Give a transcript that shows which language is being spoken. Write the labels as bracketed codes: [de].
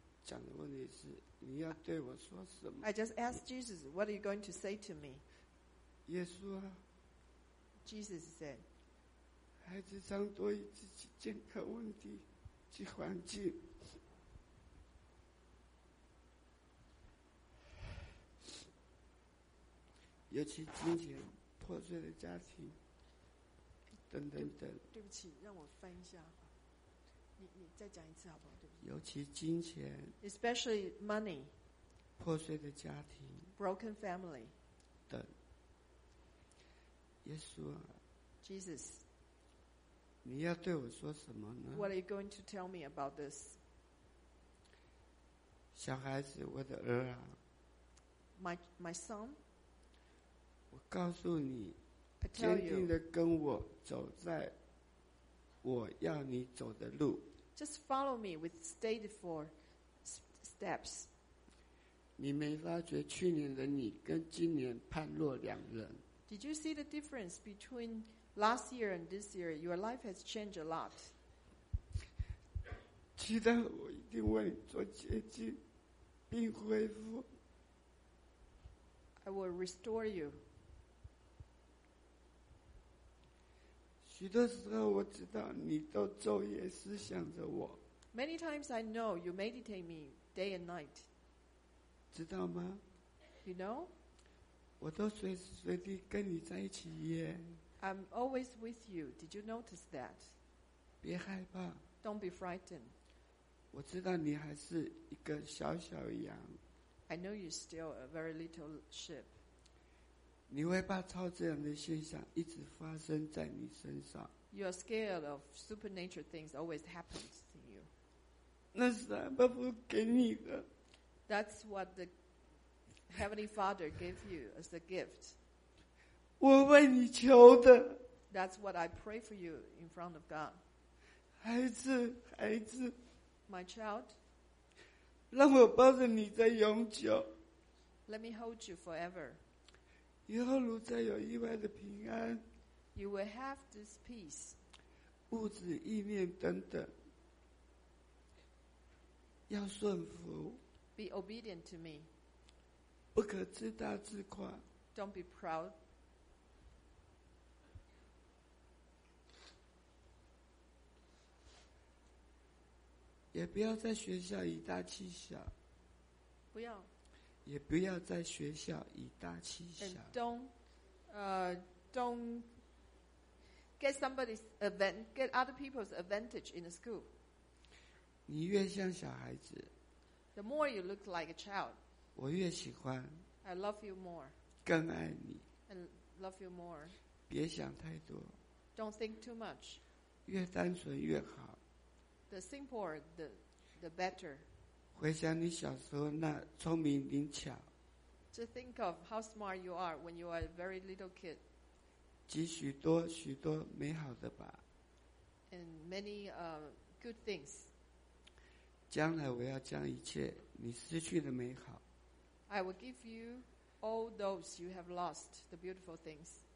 [zh] 讲的问题是你要对我说什么 [en] I just asked Jesus What are you going to say to me? [zh] 耶稣啊 [en] Jesus said [zh] 孩子常多以自己健康问题这环境尤其金钱破碎的家庭等等等对不起让我翻一下你再讲一次好不好对不起尤其金钱 [en] especially money [zh] 破碎的家庭 [en] broken family [zh] 等耶稣啊 [en] Jesus [zh] 你要对我说什么呢 [en] what are you going to tell me about this [zh] 小孩子我的儿啊 [en] my son [zh] 我告诉你坚定地跟我走在我要你走的路 [en] Just follow me with steady four steps [zh] 你没发觉去年的你跟今年判若两人 [en] Did you see the difference between last year and this year? Your life has changed a lot [zh] 记得我一定为你做洁净并恢复 [en] I will restore you [zh] 许多时候我知道你都昼夜思想着我 [en] Many times I know you meditate me day and night [zh] 知道吗 [en] You know [zh] 我都随时随地跟你在一起耶 [en] I'm always with you Did you notice that [zh] 别害怕 [en] Don't be frightened [zh] 我知道你还是一个小小羊 [en] I know you're still a very little sheep [zh] 你会怕超自然的现象一直发生在你身上 [en] You are scared of supernatural things always happens to you [zh] 那是阿爸父给你的 [en] That's what the Heavenly Father gave you as a gift [zh] 我为你求的 [en] That's what I pray for you in front of God [zh] 孩子孩子 [en] My child [zh] 让我抱着你在永久 [en] Let me hold you forever [zh] 以后如再有意外的平安 [en] You will have this peace [zh] 物质意念等等要顺服 [en] Be obedient to me [zh] 不可自大自夸 [en] Don't be proud [zh] 也不要在学校以大欺小不要也不要在学校以大欺小 [en] And don't get other people's advantage in the school [zh] 你越像小孩子 [en] The more you look like a child [zh] 我越喜欢 [en] I love you more [zh] 更爱你 [en] And love you more [zh] 别想太多 [en] Don't think too much [zh] 越单纯越好 [en] The simpler the better [zh] 回想你小时候那聪明灵巧 [en] To think of how smart you are when you are a very little kid [zh] 及许多许多美好的吧 [en] And many good things [zh] 将来我要将一切你失去的美好 [en] I will give you all those you have lost the beautiful things